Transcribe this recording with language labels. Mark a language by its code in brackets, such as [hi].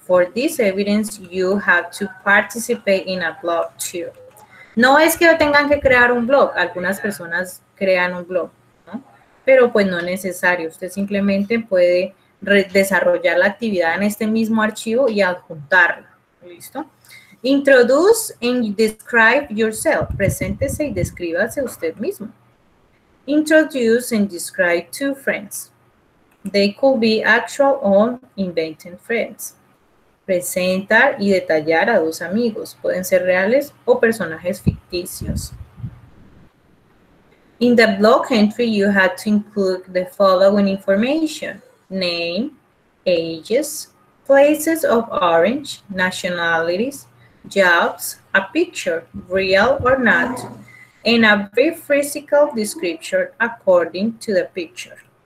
[en] For this evidence, you have to participate in a blog too. [es] No es que tengan que crear un blog. Algunas personas crean un blog, ¿no? Pero pues no es necesario. Usted simplemente puede desarrollar la actividad en este mismo archivo y adjuntarla. ¿Listo? [en] Introduce and describe yourself. [es] Preséntese y descríbase usted mismo. [en] Introduce and describe two friends. They could be actual or invented friends. [es] Presentar y detallar a dos amigos. Pueden ser reales o personajes ficticios. [en] In the blog entry, you have to include the following information. Name, ages, places of origin, nationalities, jobs, a picture, real or not, and a brief physical description according to the picture.